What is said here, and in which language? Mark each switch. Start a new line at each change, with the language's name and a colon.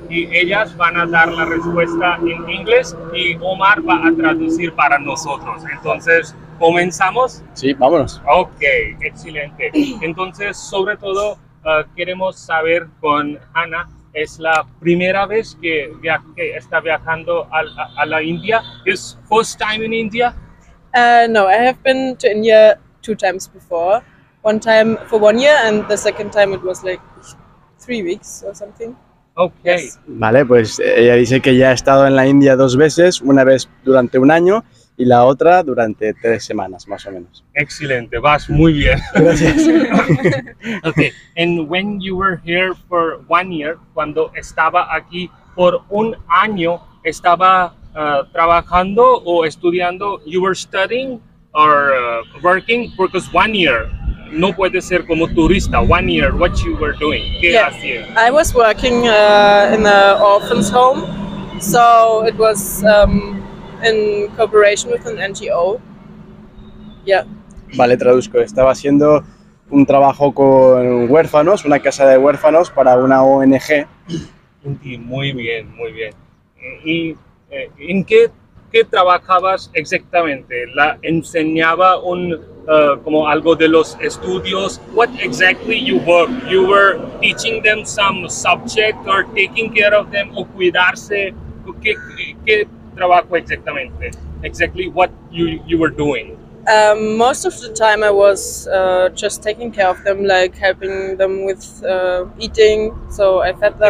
Spanish: Y ellas van a dar la respuesta en inglés y Omar va a traducir para nosotros. Entonces, ¿comenzamos? Sí, vámonos. Ok, excelente. Entonces, sobre todo, queremos saber con Ana. ¿Es la primera vez que está viajando a la India? ¿Es
English: first time in India? No, I have been to India 2 times before. One time for 1 year and the second time it was like 3 weeks or something. Okay. Yes.
Spanish: Vale, pues ella dice que ya ha estado en la India 2 veces, una vez durante 1 año y la otra durante 3 semanas más o menos. Excelente, vas muy bien. Gracias.
English: Okay, and when you were here for 1 year,
Spanish: cuando estaba aquí por 1 año, ¿estaba trabajando o estudiando?
English: You were studying or working, because 1 year.
Spanish: No puede ser como turista.
English: 1 year, what you were doing?
Spanish: ¿Qué hacía?
English: I was working in an orphan's home, so it was in cooperation with an NGO. Yeah.
Spanish: Vale, traduzco. Estaba haciendo un trabajo con huérfanos, una casa de huérfanos para una ONG. Muy bien, muy bien. ¿Y en qué trabajabas exactamente? ¿La enseñaba un como algo de los estudios?
English: What exactly you were teaching them some subject or taking care of them
Spanish: o cuidarse? ¿Qué trabajo exactamente?
English: Exactly what you were doing? Most of the time I was just taking care of them, like helping them with eating, so I fed them.